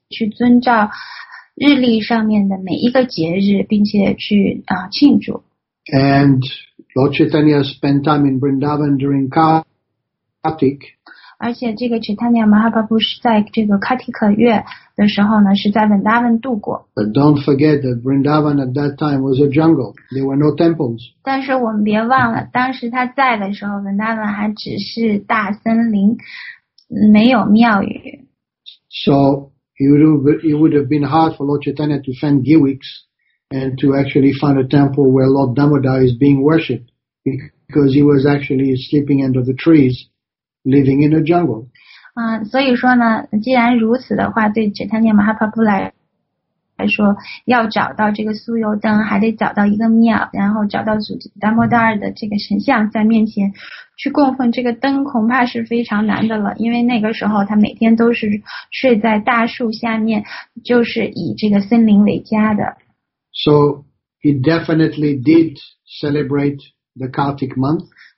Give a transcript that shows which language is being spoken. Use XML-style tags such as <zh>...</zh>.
<zh>去遵照日历上面的每一个节日，并且去庆祝。</zh> <en>And Lord Chaitanya spent time in Vrindavan during Kartik.</en> <zh>而且这个 Chaitanya Mahaprabhu 是在这个 Kartik 月的时候呢，是在 Vrindavan 度过。</zh> <en>But don't forget that Vrindavan at that time was a jungle. There were no temples.</en> <zh>但是我们别忘了，当时他在的时候 ，Vrindavan 还只是大森林，没有庙宇。</zh> <en>So. It would have been hard for Lord Chaitanya to find Giriks and to actually find a temple where Lord Damodar is being worshipped because he was actually sleeping under the trees, living in a jungle.</en> <zh>所以说呢，既然如此的话，对 Chaitanya Mahaprabhu 来说，要找到这个酥油灯，还得找到一个庙，然后找到祖 Damodar 的这个神像在面前去供奉这个灯，恐怕是非常难的了。因为那个时候他每天都是睡在大树下面，就是以这个森林为家的。</zh> <en>So he definitely did celebrate the Kartik month.</en>